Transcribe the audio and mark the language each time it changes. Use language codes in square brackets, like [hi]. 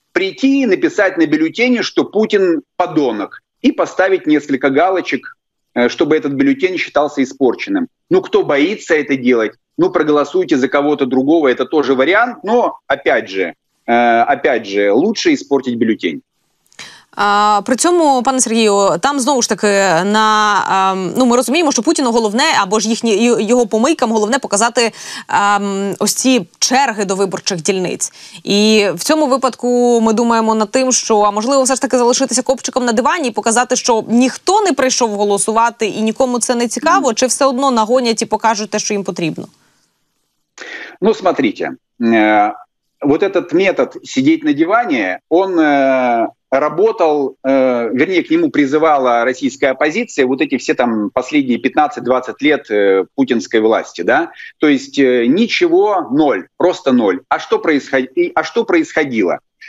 [ru] Прийти и написать на бюллетене, что Путин подонок, и поставить несколько галочек, чтобы этот бюллетень считался испорченным. Ну, кто боится это делать, ну, проголосуйте за кого-то другого, это тоже вариант, но, опять же, лучше испортить бюллетень. [uk] При цьому, пане Сергію, там знову ж таки на ну ми розуміємо, що Путіну головне, або ж їхні його помийкам головне показати ось ці черги до виборчих дільниць. І в цьому випадку ми думаємо над тим, що а можливо все ж таки залишитися копчиком на дивані і показати, що ніхто не прийшов голосувати і нікому це не цікаво, чи все одно нагонять і покажуть те, що їм потрібно. [ru] Ну, смотрите, вот этот метод [uk] сидіти на дивані, [ru] он работал, вернее, к нему призывала российская оппозиция вот эти все там последние 15-20 лет путинской власти, да? То есть ничего, ноль, просто ноль. А что происходило?